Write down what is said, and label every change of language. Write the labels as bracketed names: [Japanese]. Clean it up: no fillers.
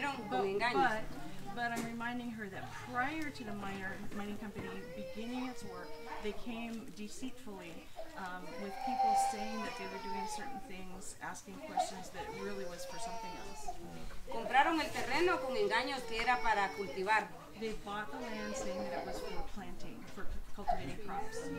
[English] But I'm reminding her that prior to the mining company beginning its work, they came deceitfully with people saying that they were doing certain things, asking questions that really was for something else. [Spanish] Compraron el terreno con engaños que era para cultivar. [English] They bought the land saying that it was for planting, for cultivating crops.